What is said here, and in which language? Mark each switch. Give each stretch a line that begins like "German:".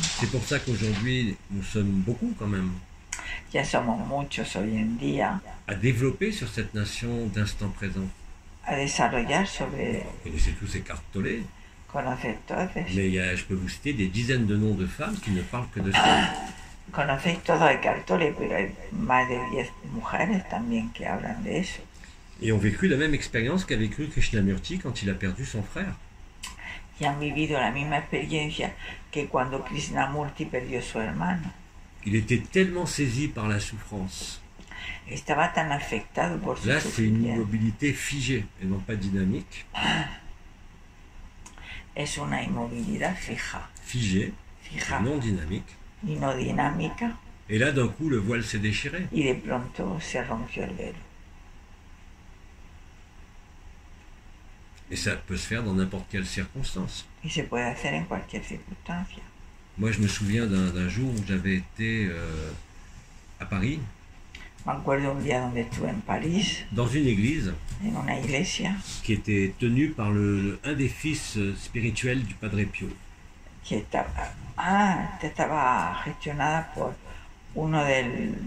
French: C'est pour ça qu'aujourd'hui, nous sommes beaucoup quand même.
Spanish: Ya somos muchos hoy en día.
French: À développer sur cette notion d'instant présent.
Spanish: A desarrollar sobre.
French: Connaissez tous ces cartes tollées.
Spanish: Conocéis todos.
French: Mais je peux vous citer des dizaines de noms de femmes qui ne parlent que de ça.
Spanish: Conocéis todos de cartes tollées, pero hay más de 10 mujeres también que hablan de eso.
French: Et ont vécu la même expérience qu'a vécu Krishnamurti quand il a perdu son frère.
Spanish: Y han vivido la misma experiencia que cuando Krishnamurti perdió su hermano.
French: Il était tellement saisi par la souffrance.
Spanish: Estaba tan afectado por
French: là, su c'est une immobilité figée et non pas dynamique.
Spanish: Es una inmovilidad fija.
French: Figée, fija. Non dynamique.
Spanish: Y no dinámica.
French: Et là, d'un coup, le voile s'est déchiré.
Spanish: Y de pronto se rompió el velo.
French: Et ça peut se faire dans n'importe quelle circonstance.
Spanish: Et se puede hacer en cualquier circunstancia.
French: Moi, je me souviens d'un jour où j'avais été à Paris.
Spanish: Me acuerdo un día donde estuve en París.
French: Dans une église.
Spanish: En una iglesia.
French: Qui était tenue par un des fils spirituels du Padre Pio.
Spanish: Que estaba, estaba gestionada por uno del.